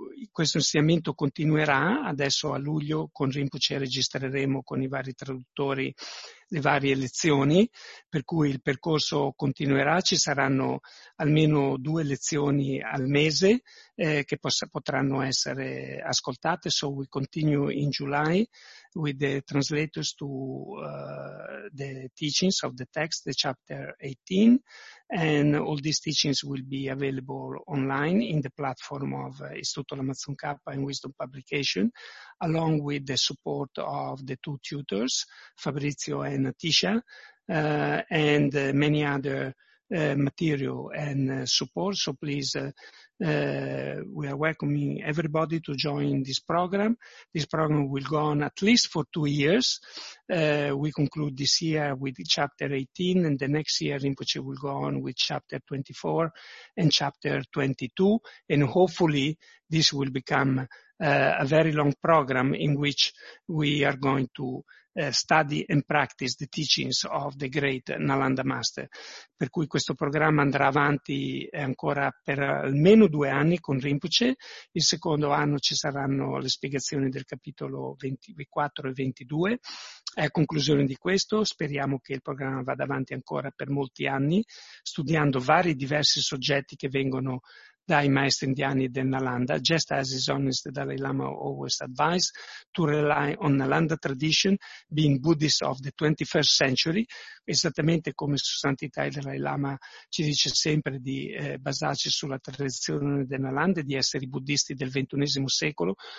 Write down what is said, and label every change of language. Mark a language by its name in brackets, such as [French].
[Italian] Questo insegnamento continuerà adesso a luglio con Rinpoche, registreremo con i vari traduttori le varie lezioni, per cui il percorso continuerà, ci saranno almeno 2 lezioni al mese che potranno essere ascoltate. [English] So we continue in July with the translators to the teachings of the text, the chapter 18, and all these teachings will be available online in the platform of Istituto Lamazon Kappa and Wisdom Publication, along with the support of the 2 tutors, Fabrizio and Tisha, and many other material and support. So please, we are welcoming everybody to join this program. This program will go on at least for 2 years. We conclude this year with chapter 18, and the next year Rinpoche will go on with chapter 24 and chapter 22. And hopefully this will become a very long program in which we are going to study and practice the teachings of the great Nalanda Master. [Italian] Per cui questo programma andrà avanti ancora per almeno 2 anni con Rinpoche. Il secondo anno ci saranno le spiegazioni del capitolo 24 e 22. E a conclusione di questo speriamo che il programma vada avanti ancora per molti anni, studiando vari diversi soggetti che vengono dai maestri indiani del Nalanda, [English] just as His Honest Dalai Lama always advised, to rely on Nalanda tradition, being Buddhist of the 21st century, [Italian] esattamente come Su Santità il Dalai Lama ci dice sempre di basarci sulla tradizione del Nalanda, di essere i buddhisti del 21esimo secolo,